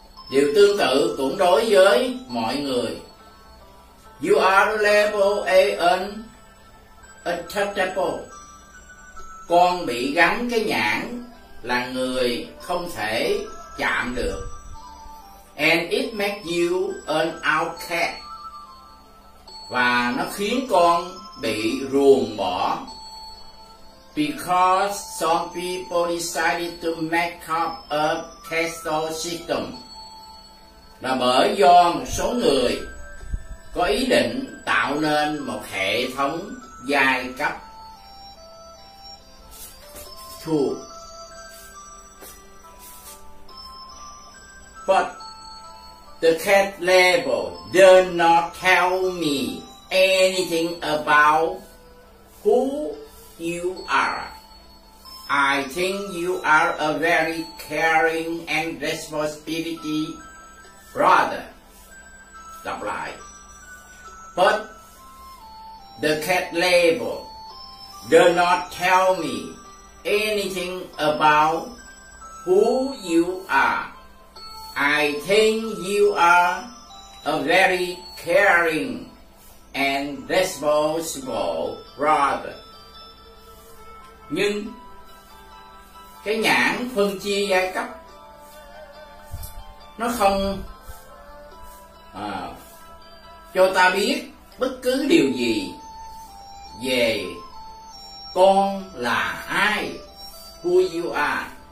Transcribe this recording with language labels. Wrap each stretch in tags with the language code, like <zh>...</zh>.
<vi>Điều tương tự cũng đối với mọi người.</vi> <en>You are labeled an untouchable.</en> <vi>Con bị gắn cái nhãn là người không thể chạm được.</vi> <en>And it makes you an outcast.</en> <vi>Và nó khiến con bị ruồng bỏ.</vi> <en>Because some people decided to make up a caste system.</en> <vi>Là bởi do một số người có ý định tạo nên một hệ thống giai cấp.</vi> <en>But the cat label does not tell me anything about who you are. I think you are a very caring and responsibility brother.</en> <vi>Đọc lại.</vi> <en>But the cat label does not tell me anything about who you are. I think you are a very caring and responsible brother.</en> <vi>Nhưng cái nhãn phân chia giai cấp nó không cho ta biết bất cứ điều gì về con là ai.</vi> <en>Who you are?</en>